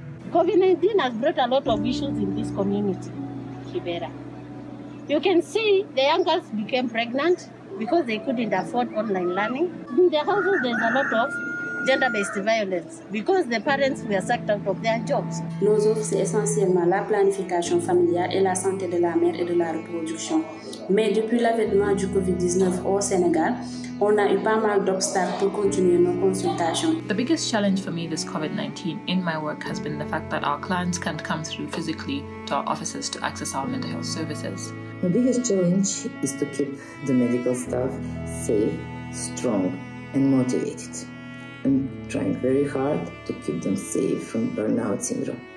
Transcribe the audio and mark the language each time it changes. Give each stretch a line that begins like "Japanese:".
English: COVID-19 has brought a lot of issues in this community, Kibera. You can see the young girls became pregnant because they couldn't afford online learning. In their houses, there's a lot of gender-based violence because the parents were sacked out of their jobs.
French: Nos offres, c'est essentiellement la planification familiale et la santé de la mère et de la reproduction. Mais depuis l'avènement du COVID-19 au Sénégal, on a eu pas mal d'obstacles pour continuer nos consultations.
English: The biggest challenge for me this COVID-19 in my work has been the fact that our clients can't come through physically to our offices to access our mental health services. My biggest challenge is to keep the medical staff safe, strong, and motivated. I'm trying very hard to keep them safe from burnout syndrome.